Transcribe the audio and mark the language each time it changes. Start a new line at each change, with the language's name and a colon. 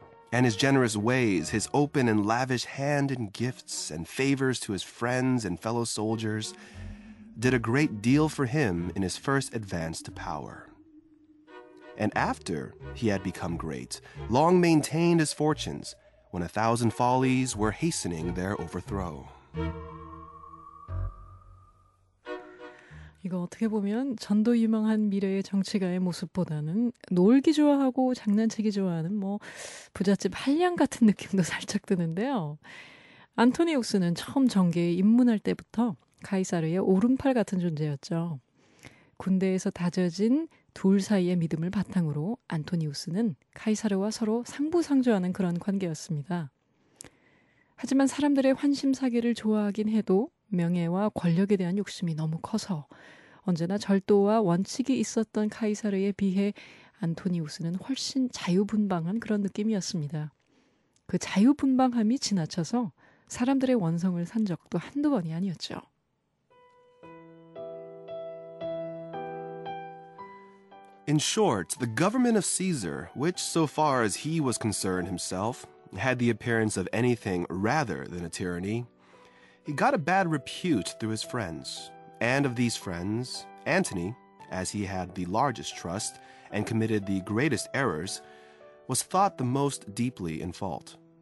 English: And his generous ways, his open and lavish hand in gifts and favors to his friends and fellow soldiers, did a great deal for him in his first advance to power. And after he had become great, long maintained his fortunes, when 1,000 follies were hastening their overthrow.
Korean: 이거 어떻게 보면 전도 유망한 미래의 정치가의 모습보다는 놀기 좋아하고 장난치기 좋아하는 뭐 부잣집 한량 같은 느낌도 살짝 드는데요. 안토니우스는 처음 정계에 입문할 때부터 카이사르의 오른팔 같은 존재였죠. 군대에서 다져진 둘 사이의 믿음을 바탕으로 안토니우스는 카이사르와 서로 상부상조하는 그런 관계였습니다. 하지만 사람들의 환심사기를 좋아하긴 해도 명예와 권력에 대한 욕심이 너무 커서 언제나 절도와 원칙이 있었던 카이사르에 비해 안토니우스는 훨씬 자유분방한 그런 느낌이었습니다. 그 자유분방함이 지나쳐서 사람들의 원성을 산 적도 한두 번이 아니었죠.
English: In short, the government of Caesar, which so far as he was concerned himself, had the appearance of anything rather than a tyranny, he got a bad repute through his friends, and of these friends, Antony, as he had the largest trust and committed the greatest errors, was thought the most deeply in fault.